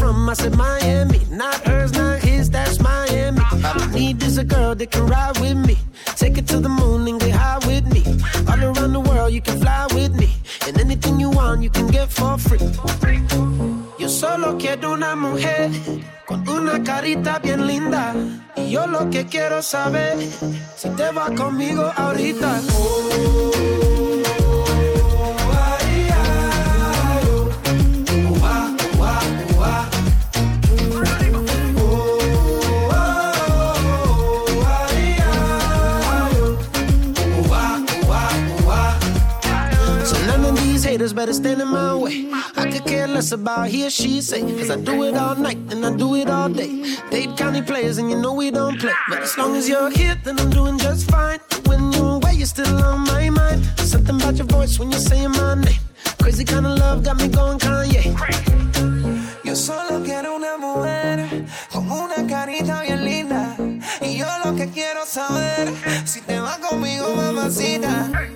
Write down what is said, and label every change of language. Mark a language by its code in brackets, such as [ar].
[en] I said Miami, not hers, not his, that's Miami. All I need is a girl that can ride with me. Take it to the moon and get high with me. All around the world you can fly with me. And anything you want you can get for free. [es] Yo solo quiero una mujer con una carita bien linda. Y yo lo que quiero saber si te va conmigo ahorita. [en] Better stand in my way. I could care less about he or she say. Cause I do it all night and I do it all day. Dade County players and you know we don't play. But as long as you're here, then I'm doing just fine. When you're away, you're still on my mind. Something about your voice when you're saying my name. Crazy kind of love got me going Kanye. [es] Yo solo quiero una mujer con una carita bien linda. Y yo lo que quiero saber si te va conmigo, mamacita.